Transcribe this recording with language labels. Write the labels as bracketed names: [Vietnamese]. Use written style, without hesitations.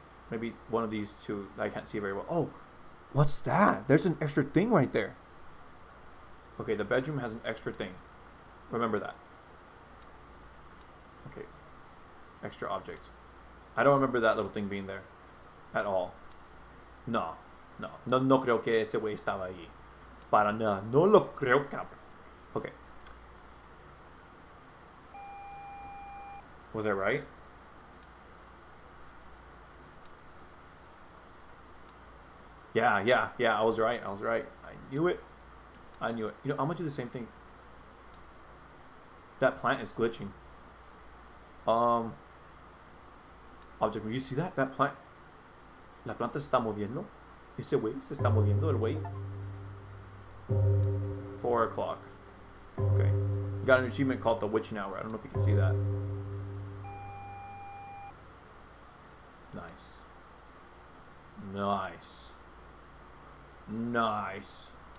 [English] Maybe one of these two that I can't see very well. Oh, what's that? There's an extra thing right there. Okay, the bedroom has an extra thing. Remember that. Okay, extra object. I don't remember that little thing being there at all. No. [Spanish] No, no, no creo que ese güey estaba allí. Para nada. No lo creo, cabrón. Okay. [English] Was I right? Yeah. I was right. I was right. I knew it. I knew it. You know, I'm gonna do the same thing. That plant is glitching. Object, you see that? That plant. [Spanish] La planta se está moviendo. Ese wey se está moviendo el wey. [English] 4 o'clock. Okay. Got an achievement called the Witching Hour. I don't know if you can see that. Nice. Nice. Nice.